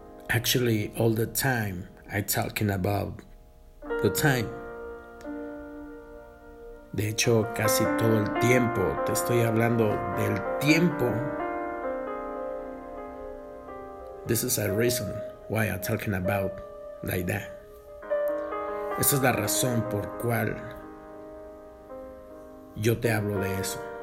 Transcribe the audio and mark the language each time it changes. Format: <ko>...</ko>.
<en>Actually, all the time I'm talking about the time.</en> <es>De hecho, casi todo el tiempo te estoy hablando del tiempo.</es> <en>This is a reason why I'm talking about like that.</en> <es>Esa es la razón por cual yo te hablo de eso.</es>